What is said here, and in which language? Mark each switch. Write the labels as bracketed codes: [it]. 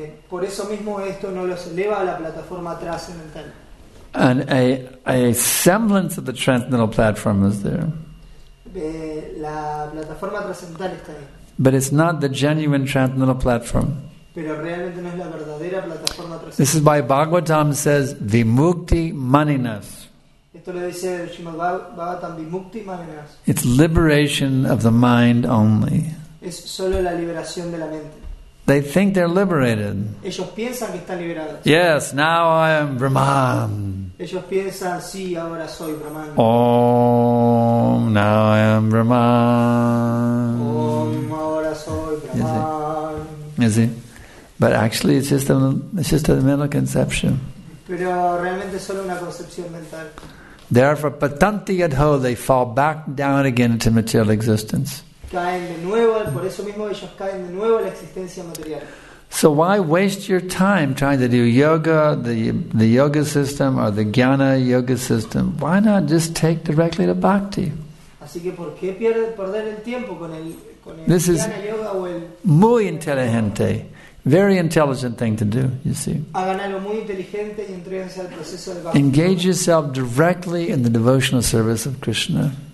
[es] Por eso mismo esto no los eleva a la plataforma trascendental. [en] And a semblance of the transcendental platform is there. [es] La plataforma trascendental está ahí. [en] But it's not the genuine transcendental platform. [es] Pero realmente no es la verdadera plataforma trascendental. [en] This is why Bhagavatam says vimukti maninas. [es] Esto lo dice el Srimad Bhagavatam, vimukti maninas. [en] It's liberation of the mind only. [es] Es solo la liberación de la mente. [en] They think they're liberated. [es] Ellos piensan que están liberados. [en] Yes, now I am Brahman. [es] Ellos piensan, sí, ahora soy Brahman. [en] Om, now I am Brahman. [es] Om, ahora soy Brahman. [en] Is it? But actually, it's just a mental conception. [es] Pero realmente es solo una concepción mental. [en] Therefore, patanti yadho, they fall back down again into material existence. [es] Caen de nuevo, por eso mismo ellos caen de nuevo a la existencia material. [en] So why waste your time trying to do yoga, the yoga system, or the jnana yoga system? Why not just take directly to bhakti? [es] Así que ¿por qué perder el tiempo con el [en] this jnana is [es] yoga o el muy inteligente, [en] very intelligent thing to do, [es] you see. Hagan algo muy inteligente y entréguense al proceso de bhakti. [en] Engage yourself directly in the devotional service of Krishna.